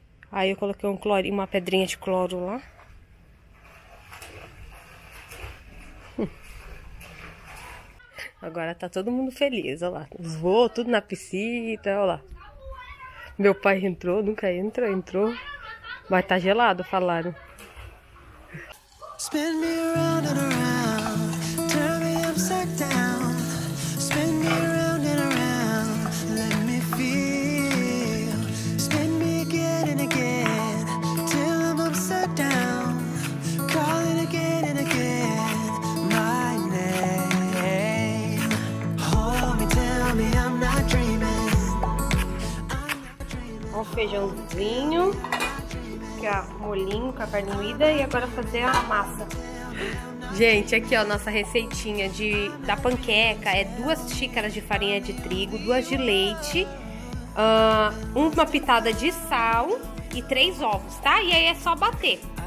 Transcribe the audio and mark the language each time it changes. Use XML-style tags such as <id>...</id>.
<pt>Aí eu coloquei um cloro, uma pedrinha de cloro lá. Agora tá todo mundo feliz, olha lá. Voou tudo na piscina, olha lá. Meu pai entrou, nunca entra, entrou. Mas tá gelado, falaram.</pt> <en>Spin me around and around, turn me upside down. Spin me around and around, let me feel. Spin me again and again, till I'm upside down. Calling again and again, my name. Hold me, tell me I'm not dreaming.</en> <pt>Um feijãozinho. Molinho com a carne moída e agora fazer a massa. Gente, aqui ó, nossa receitinha da panqueca é 2 xícaras de farinha de trigo, 2 de leite, uma pitada de sal e 3 ovos, tá? E aí é só bater.</pt>